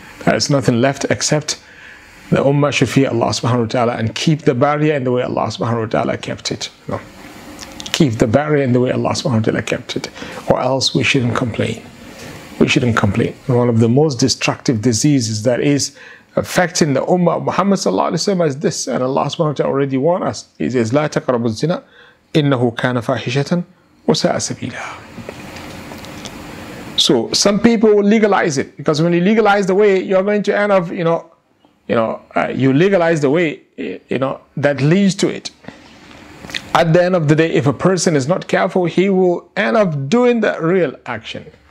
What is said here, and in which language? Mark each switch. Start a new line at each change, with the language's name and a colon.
English: There's nothing left except the ummah should fear Allah subhanahu wa ta'ala and keep the barrier in the way Allah subhanahu wa ta'ala kept it. No. Keep the barrier in the way Allah subhanahu wa ta'ala kept it. Or else we shouldn't complain. We shouldn't complain. One of the most destructive diseases that is affecting the ummah of Muhammad sallallahu alayhi wa sallam is this. And Allah subhanahu wa ta'ala already warned us. He says,
Arabic: لا تقربوا الزنا إنه كان فاحشة وساء سبيلا.
English: So some people will legalize it. Because when you legalize the way, you're going to end up, you legalize the way, you know, that leads to it. At the end of the day, if a person is not careful, he will end up doing the real action.